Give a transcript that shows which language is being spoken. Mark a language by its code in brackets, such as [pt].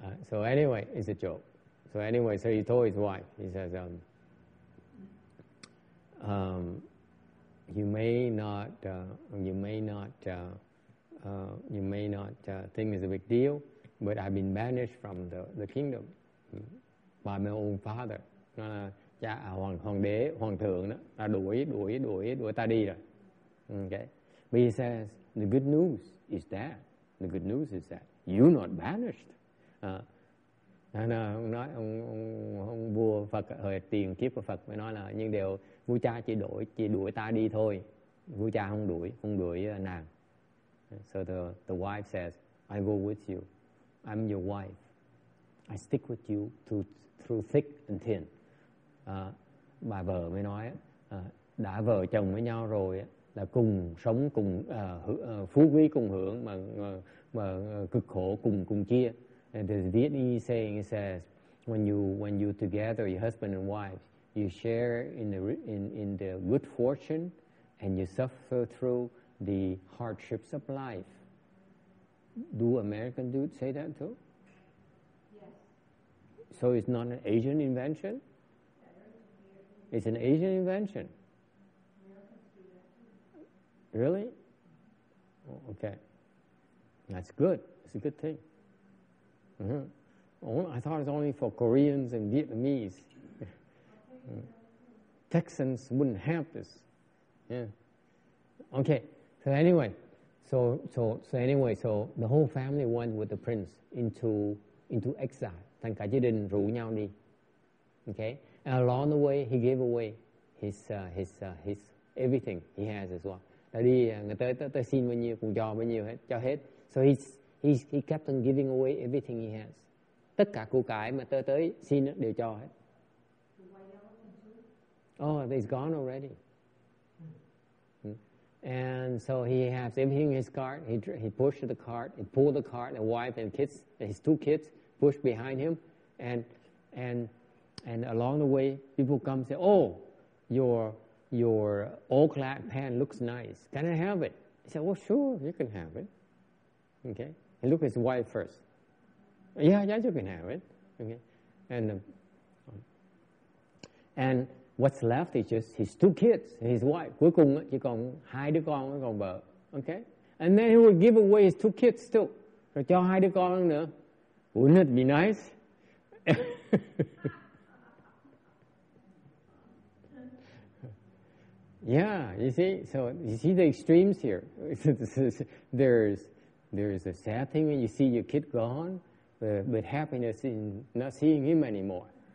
[en] So anyway, it's a joke. So anyway, so he told his wife. He says, you may not think it's a big deal. But I've been banished from the kingdom by my own father. [vi] Cha hoàng đế, hoàng thượng đó, ta đuổi ta đi rồi. Okay. [en] But he says, the good news is that. The good news is that you're not banished. [vi] Nên nói ông vua Phật hồi tiền kiếp của Phật mới nói là nhưng điều vua cha chỉ đuổi ta đi thôi. Vua cha không đuổi nàng. [en] So the wife says, I go with you. I'm your wife. I stick with you through thick and thin. [vi] Bà vợ mới nói đã vợ chồng với nhau rồi là cùng sống cùng phú quý cùng hưởng mà cực khổ cùng chia. [en] And the Vietnamese saying says, when you together, your husband and wife, you share in the good fortune, and you suffer through the hardships of life. Do American dudes say that too? Yes. So it's not an Asian invention. It's an Asian invention. Really? Oh, okay. That's good. It's a good thing. Mm-hmm. I thought it's only for Koreans and Vietnamese. Texans wouldn't have this. Yeah. Okay. So anyway, the whole family went with the prince into exile. [vi] Thành cả gia đình rủ nhau đi. [en] Okay. And along the way, he gave away his everything he has as well. [vi] Đã đi người tới xin bao nhiêu cũng cho hết. [en] So he kept on giving away everything he has. [vi] Tất cả của cải mà tới xin đều cho hết. [en] Oh, it's gone already. And so he has everything in his cart. He pushed the cart. He pulled the cart. The wife and kids, his two kids, pushed behind him. And along the way, people come and say, oh, your old clad pan looks nice. Can I have it? He said, well, sure, you can have it. Okay. He looked at his wife first. Yeah, you can have it. Okay. And what's left is just his two kids and his wife. [vi] Cuối cùng chỉ còn hai đứa con với còn vợ. [en] Okay. And then he would give away his two kids too. [vi] Rồi cho hai đứa con nữa. [en] Wouldn't it be nice? Yeah, you see, so you see the extremes here. there's a sad thing when you see your kid gone, but happiness in not seeing him anymore.